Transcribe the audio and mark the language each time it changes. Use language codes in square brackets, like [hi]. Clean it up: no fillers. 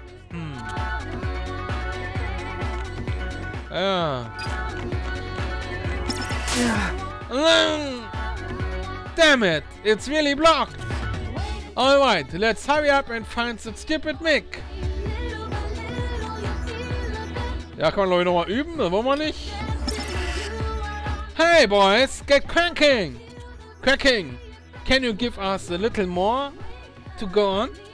[en] Damn it, it's really blocked. Alright, let's hurry up and find the stupid Mick. [de] Ja, kann man glaube ich nochmal üben, das wollen wir nicht. [en] Hey boys, get cranking! Cranking! Can you give us a little more to go on?